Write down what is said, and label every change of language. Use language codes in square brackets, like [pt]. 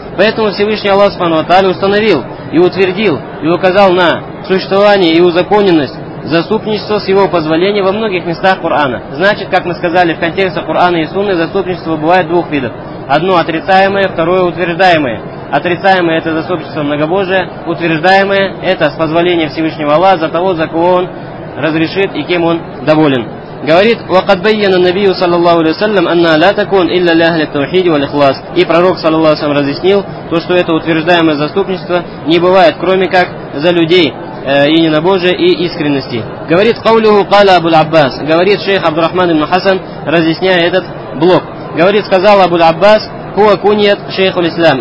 [ru] Поэтому Всевышний Аллах Субхану ва Тааля установил и утвердил и указал на существование и узаконенность заступничество с его позволения во многих местах Корана. Значит, как мы сказали, в контексте Корана и Сунны заступничество бывает двух видов. Одно отрицаемое, второе утверждаемое. Отрицаемое – это заступничество многобожие, утверждаемое – это с позволения Всевышнего Аллаха за того, за кого он разрешит и кем он доволен. Говорит: [ar] وَقَدْ بَيَّنَ النَّبِيُّ صَلَّى اللَّهُ عَلَيْهِ وَسَلَّمَ أَنَّا لَا تَكُونَ إِلَّا لَهْلِ التَّوْحِيدِ وَالْإِخْلَاسِ. [ru] И пророк, саллиллаху алейхи ва саллям, разъяснил то, что это утверждаемое заступничество не бывает, кроме как за людей единобожия и искренности. Говорит Каулюху Кала Абуль-Аббас, говорит шейх Абдурахман ибн Хасан, разъясняя этот блок. Говорит, сказал Абуль-Аббас, [ar] хуа куньят шейхуль ислам.